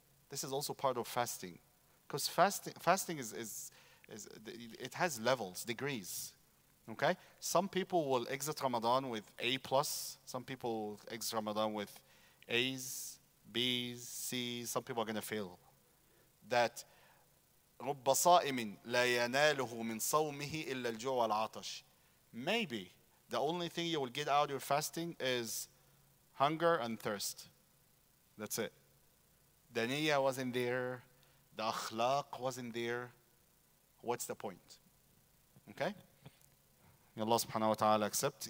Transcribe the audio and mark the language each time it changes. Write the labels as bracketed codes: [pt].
[en] This is also part of fasting. Because fasting is it has levels, degrees. Okay? Some people will exit Ramadan with A+. Some people exit Ramadan with A's, B's, C's. Some people are going to fail. [ar] That رب صائم لا يناله من صومه إلا الجوع والعطش. [en] Maybe the only thing you will get out of your fasting is hunger and thirst. That's it. The niyyah wasn't there. The akhlaq wasn't there. What's the point? Okay? May Allah subhanahu wa ta'ala accept.